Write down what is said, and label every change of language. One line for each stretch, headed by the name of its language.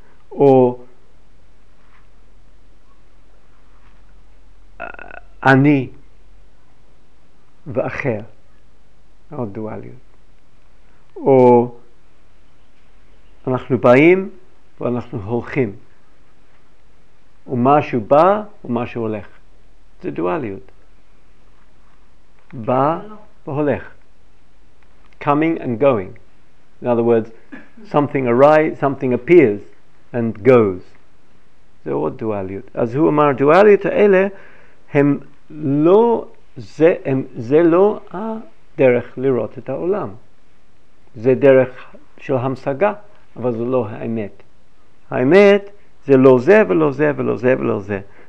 Hebrew: או אני ואחר, עוד דואליות. או אנחנו באים ואנחנו הולכים, ומשהו בא ומשהו הולך, זה דואליות. בא והולך,
English: coming and going. In other words, something arrives, something appears and goes.
Hebrew: זה עוד דואליות. אז הוא אמר, דואליות האלה הם לא, זה לא הדרך לראות את העולם. זה דרך של המשגה, אבל זה לא האמת. האמת זה לא זה ולא זה ולא זה ולא זה.